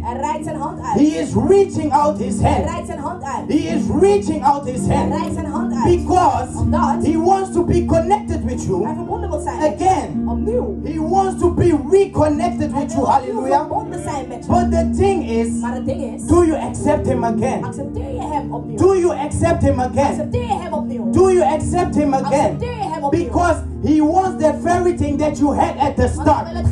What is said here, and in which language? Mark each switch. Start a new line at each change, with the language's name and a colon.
Dutch: Hij reikt zijn hand uit.
English: He is reaching out his hand.
Dutch: Hij reikt zijn hand uit.
English: He is reaching out his hand.
Dutch: Hij reikt zijn hand uit.
English: Because he wants to be connected with you.
Dutch: Hij verbonden wil zijn.
English: Again.
Dutch: Opnieuw.
English: He wants to be reconnected with you. Hallelujah.
Dutch: Verbonden zijn met je.
English: But the thing is.
Dutch: Maar het ding is.
English: Do you accept him again?
Dutch: Accepteer je hem opnieuw?
English: Do you accept him again?
Dutch: Accepteer je hem opnieuw?
English: Do you accept him again?
Dutch: Accepteer je hem opnieuw?
English: Because he wants the very thing that you had at the start.